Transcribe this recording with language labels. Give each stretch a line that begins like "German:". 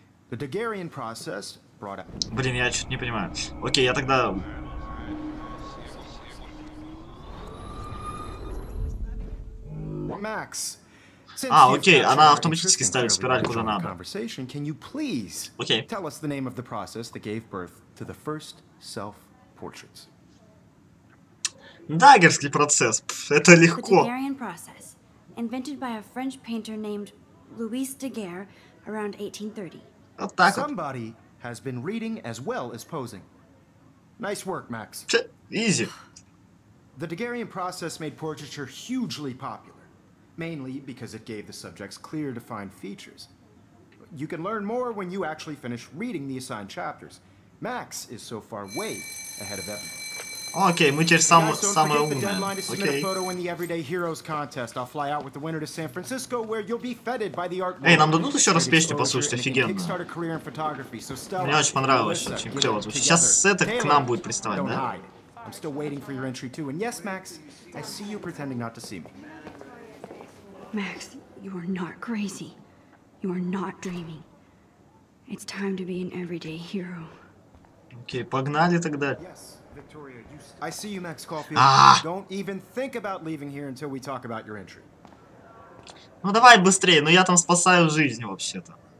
English: The Daguerrean process brought up.
Russian: Блин, я что-то не понимаю. Окей, я тогда.
English: Max.
Russian: А, окей, она автоматически ставит спираль куда надо. Окей.
English: Tell us the name of the process that gave birth to the first self-portraits.
Russian: Дагерский процесс. Это легко.
English: Daguerrean process, invented by a French painter named Louis Daguerre around 1830.
Russian: Вот так вот.
English: Somebody has been reading as well as posing. Nice work, Max. Easy. The Daguerrean process made portraiture hugely popular. Mainly because it gave the subjects clear, defined features. You can learn more when you actually finish reading the assigned chapters. Max is so far way ahead of everyone.
Russian: Okay, мы теперь самые умные.
English: Don't forget the deadline to submit a photo in the Everyday Heroes contest. I'll fly out with the winner to San Francisco, where you'll be feted by the art.
Russian: Эй, нам дадут еще раз песню послушать, офигенно. Мне очень понравилось, очень клево. Сейчас это к нам будет приставать, да?
English: I'm still waiting for your entry too. And yes, Max, I see you pretending not to see me. Max, you are not crazy. You are not dreaming. It's time to be an everyday hero.
Russian: Okay, погнали тогда.
English: Yes, Victoria, I see you, Max Caulfield. Don't even think about leaving here until we talk about your entry.
Russian: Ну давай быстрее, но я там спасаю жизнь вообще-то.